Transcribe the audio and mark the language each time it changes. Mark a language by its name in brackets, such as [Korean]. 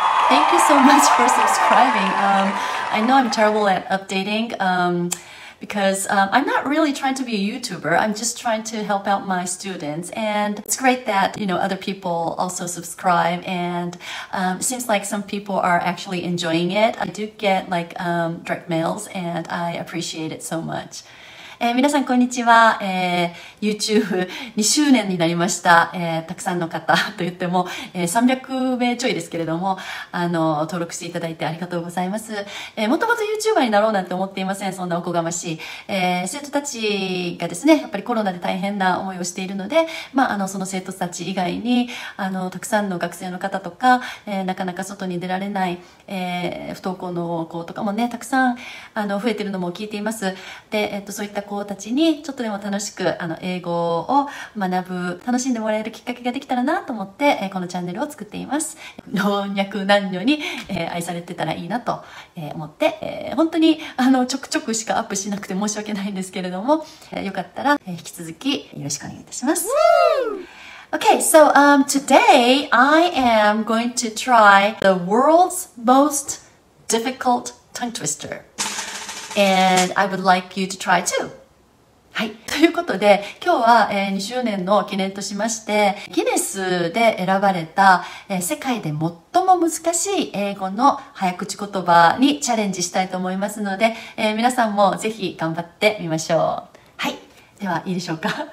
[English] Thank you so much for subscribing. I know I'm terrible at updating because I'm not really trying to be a YouTuber. I'm just trying to help out my students. And it's great that, you know, other people also subscribe. And it seems like some people are actually enjoying it. I do get like direct mails and I appreciate it so much. [Japanese] 皆さんこんにちは、YouTube2 周年になりました、たくさんの方といっても、300名ちょいですけれども登録していただいてありがとうございます。もともと YouTuber になろうなんて思っていません。そんなおこがましい、生徒たちがですね、やっぱりコロナで大変な思いをしているので、まあ、その生徒たち以外にたくさんの学生の方とか、なかなか外に出られない、不登校の子とかもね、たくさん増えているのも聞いています。で、そういった子たちにちょっとでも楽しく英語を学ぶ、楽しんでもらえるきっかけができたらなと思って、このチャンネルを作っています。老若男女に、愛されてたらいいなと、思って、本当にちょくちょくしかアップしなくて申し訳ないんですけれども、よかったら、引き続きよろしくお願いいたします。 [English] Okay, so today I am going to try the world's most difficult tongue twisterAnd I would like you to try too. [Japanese] はい。ということで、今日は、2周年の記念としまして、ギネスで選ばれた、世界で最も難しい英語の早口言葉にチャレンジしたいと思いますので、皆さんもぜひ頑張ってみましょう。はい。では、いいでしょうか。